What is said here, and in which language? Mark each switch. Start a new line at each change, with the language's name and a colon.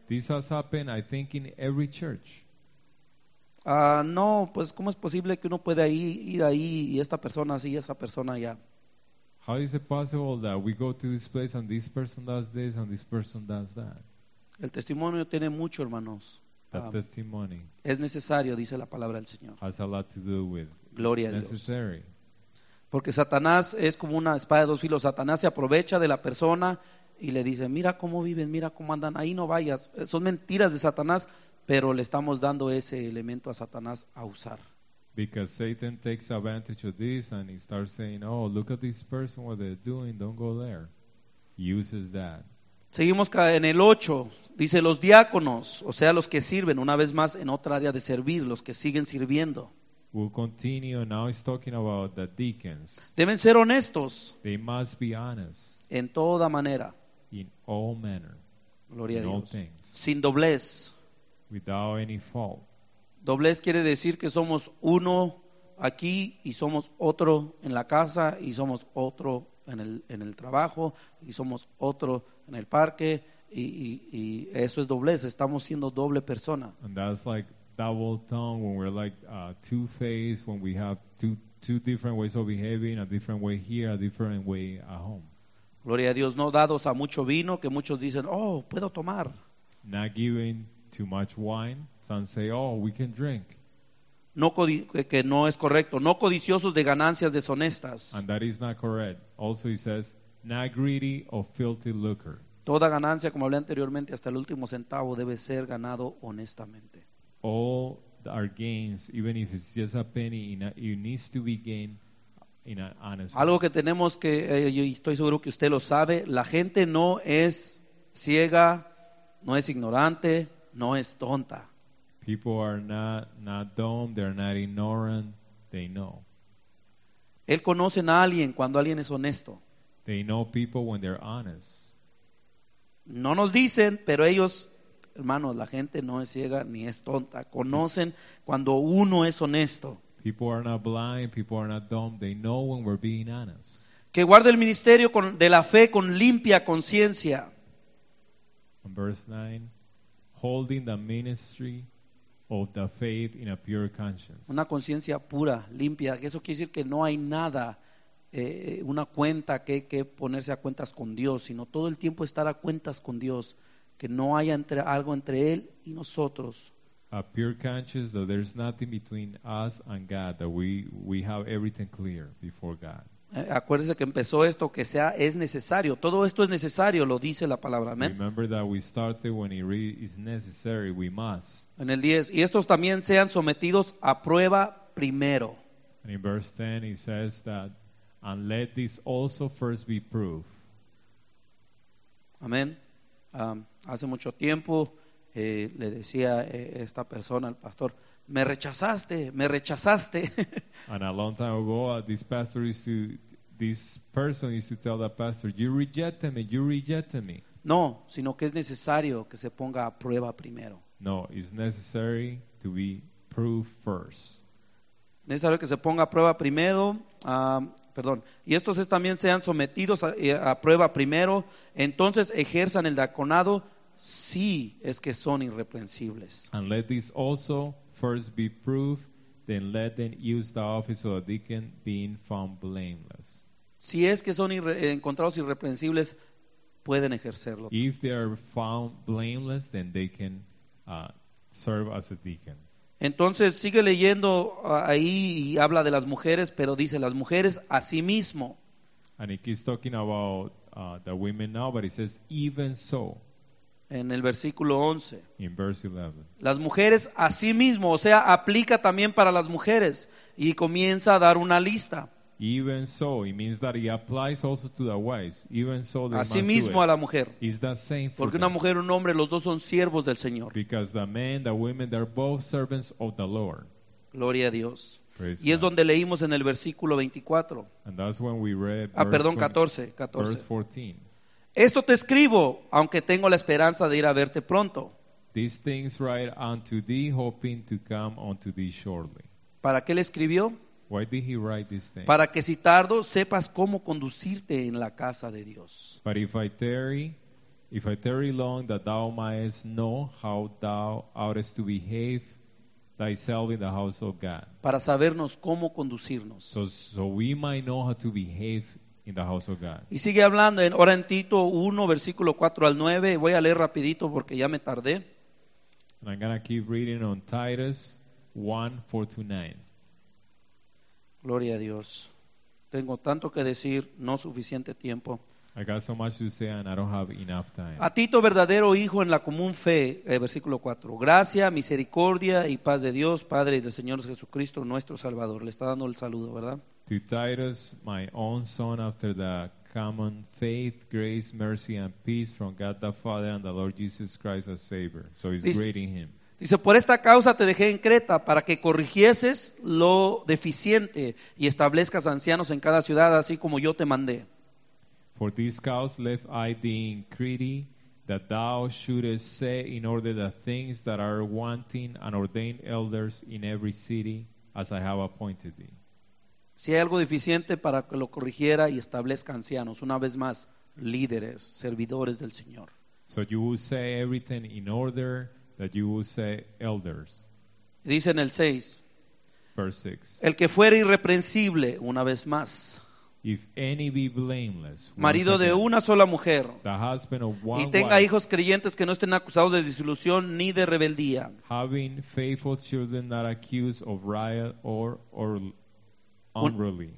English: This has happened, I think, in every church.
Spanish: No, pues ¿cómo es posible que uno puede ir ahí y esta persona así y esa persona allá?
English: How is it possible that we go to this place and this person does this and this person does that?
Spanish: El testimonio tiene mucho, hermanos.
English: The testimony.
Spanish: Es necesario, dice la palabra del Señor.
English: Has a lot to do with.
Spanish: Gloria a Dios. Porque Satanás es como una espada de dos filos. Satanás se aprovecha de la persona y le dice, mira cómo viven, mira cómo andan, ahí no vayas. Son mentiras de Satanás, pero le estamos dando ese elemento a Satanás a usar.
English: Because Satan takes advantage of this and he starts saying, oh, look at this person, what they're doing, don't go there. He uses that.
Spanish: Seguimos en el 8, dice los diáconos, o sea, los que sirven, una vez más en otra área de servir, los que siguen sirviendo.
English: We'll continue. Now he's talking about the deacons.
Spanish: Deben ser honestos.
English: They must be honest.
Spanish: En toda manera.
English: In all manner.
Spanish: Gloria
English: in
Spanish: a Dios.
English: All things.
Spanish: Sin doblez.
English: Without any fault.
Spanish: Doblez quiere decir que somos uno aquí y somos otro en la casa y somos otro en el trabajo y somos otro en el parque y eso es doblez, estamos siendo doble persona.
English: And that's like double tongue, when we're like two-faced, when we have two different ways of behaving, a different way here, a different way at home.
Spanish: Gloria a Dios, no dados a mucho vino, que muchos dicen, oh, puedo tomar.
English: Not giving too much wine, some say, oh, we can drink.
Spanish: No, que no es correcto. No codiciosos de ganancias deshonestas.
English: And that is not correct. Also he says, not greedy or filthy lucre.
Spanish: Toda ganancia, como hablé anteriormente, hasta el último centavo debe ser ganado honestamente.
English: All our gains, even if it's just a penny, it needs to be gained in an honest way.
Spanish: Algo que tenemos que, yo estoy seguro que usted lo sabe, la gente no es ciega, no es ignorante, no es tonta.
English: People are not dumb, they're not ignorant, they know.
Spanish: Él conoce a alguien cuando alguien es honesto.
English: They know people when they're honest.
Spanish: No nos dicen, pero ellos, hermanos, la gente no es ciega ni es tonta. Conocen cuando uno es honesto.
English: People are not blind, people are not dumb, they know when we're being honest.
Spanish: Que guarde el ministerio de la fe con limpia conciencia.
English: In verse 9, holding the ministry of the faith in a pure conscience.
Spanish: Una conciencia pura, limpia. Eso quiere decir que no hay nada, una cuenta que ponerse a cuentas con Dios, sino todo el tiempo estar a cuentas con Dios, que no haya algo entre Él y nosotros.
English: A pure conscience, that there's nothing between us and God, that we have everything clear before God.
Spanish: Acuérdese que empezó esto, que sea, es necesario. Todo esto es necesario, lo dice la palabra.
English: Amen. Remember that we started when it really is necessary, we must.
Spanish: En el 10, y estos también sean sometidos a prueba primero.
English: And in verse 10, he says that, and let this also first be proof.
Spanish: Amén. Hace mucho tiempo le decía esta persona al pastor, me rechazaste, me rechazaste.
English: And a long time ago, this person used to tell the pastor, you rejected me, you rejected me.
Spanish: No, sino que es necesario que se ponga a prueba primero.
English: No, it's necessary to be proved first.
Spanish: Necesario que se ponga a prueba primero. Perdón. Y estos es también sean sometidos a prueba primero. Entonces ejerzan el diaconado si es que son irreprensibles.
English: And let this also first be proof, then let them use the office of a deacon being found blameless.
Spanish: Si es que son encontrados irreprensibles, pueden ejercerlo.
English: If they are found blameless, then they can serve as a deacon.
Spanish: Entonces sigue leyendo ahí y habla de las mujeres, pero dice las mujeres a sí mismo.
English: And he keeps talking about the women now, but he says even so.
Spanish: En el versículo 11.
English: In verse 11.
Spanish: Las mujeres a sí mismo, o sea, aplica también para las mujeres y comienza a dar una lista.
English: Even so, it means that it applies also to the wives. Even so,
Spanish: a sí mismo a la mujer.
English: It's the same.
Spanish: Porque una mujer y un hombre, los dos son siervos del Señor.
English: Because the men, the women, they're both servants of the Lord.
Spanish: Gloria a Dios.
English: Praise
Spanish: y es
English: God.
Spanish: Donde leímos en el versículo 24.
English: And that's when we read.
Spanish: Ah, perdón, 14.
English: Verse 14.
Spanish: Esto te escribo, aunque tengo la esperanza de ir a verte pronto.
English: These things write unto thee, hoping to come unto thee shortly.
Spanish: ¿Para qué le escribió?
English: Why did he write these things?
Spanish: Para que si tardo, sepas cómo conducirte en la casa de Dios.
English: But if I tarry long, that thou mayest know how thou oughtest to behave thyself in the house of God.
Spanish: Para sabernos cómo conducirnos.
English: So we might know how to behave in the house of God.
Spanish: Y sigue hablando ahora en Tito 1, versículo 4 al 9. Voy a leer rapidito porque ya me tardé.
English: And I'm going to keep reading on Titus 1, 4 to 9.
Spanish: Gloria a Dios. Tengo tanto que decir, no suficiente tiempo.
English: I got so much to say and I don't have enough time.
Spanish: A Tito, verdadero hijo en la común fe, versículo 4. Gracia, misericordia y paz de Dios, Padre y del Señor Jesucristo, nuestro Salvador. Le está dando el saludo, ¿verdad?
English: To Titus, my own son, after the common faith, grace, mercy and peace from God the Father and the Lord Jesus Christ as Savior. So he's greeting him.
Spanish: Dice, por esta causa te dejé en Creta, para que corrigieses lo deficiente y establezcas ancianos en cada ciudad, así como yo te mandé.
English: For this cause left I thee in Crete, that thou shouldest say in order the things that are wanting and ordain elders in every city as I have appointed thee.
Spanish: Si hay algo deficiente para que lo corrigiera y establezca ancianos, una vez más, líderes, servidores del Señor.
English: So you will say everything in order that you will say elders.
Spanish: Dice en el 6.
English: Verse 6.
Spanish: El que fuere irreprensible, una vez más.
English: If any be blameless,
Spanish: marido
English: again,
Spanish: de una sola mujer,
English: the husband of one
Spanish: y tenga
English: wife,
Spanish: hijos creyentes que no estén acusados de disolución ni de rebeldía,
English: having faithful children not accused of riot or unruly.